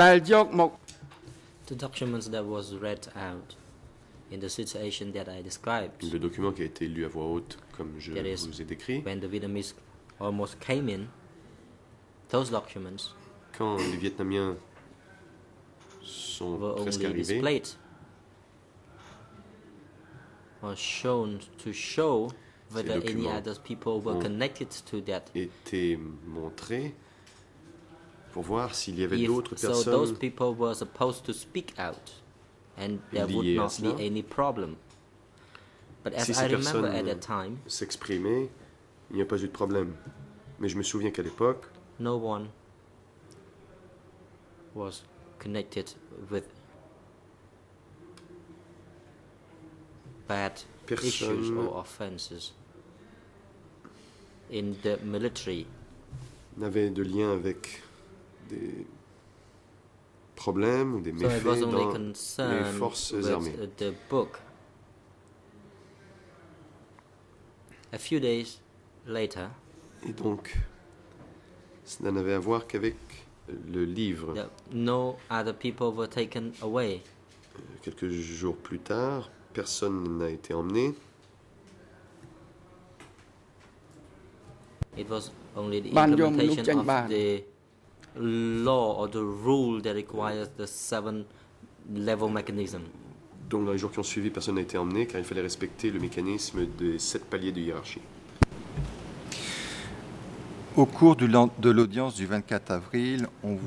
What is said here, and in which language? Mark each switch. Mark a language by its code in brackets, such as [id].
[en] The documents that was read out in the situation that I described. [fr] Le document qui a été lu à voix haute, comme je vous ai décrit. [en] When the Vietnamese almost came in, those documents. [fr] Quand les Vietnamiens sont presque arrivés, [en] were shown to show whether any other people were connected to that. [fr] Étaient montrés pour voir s'il y avait d'autres personnes. [en] So those people were supposed to speak out, and there would not be any problem. But as I remember at that time, [fr] s'exprimer, il n'y a pas eu de problème. Mais je me souviens qu'à l'époque, [en] no one was connected with bad [fr] personne [en] issues or offenses in the military. [fr] N'avait de lien avec des problèmes ou des méfaits dans les forces armées. [en] The book. A few days later. [fr] Et donc, ça n'avait à voir qu'avec le livre. [en] No other people were taken away. [fr] Quelques jours plus tard, personne n'a été emmené. [en] It was only the implementation of the law or the rule that requires the seven level mechanism. [fr] Donc dans les jours qui ont suivi, personne n'a été emmené car il fallait respecter le mécanisme des sept paliers de hiérarchie. Au cours de l'audience du 24 avril, on vous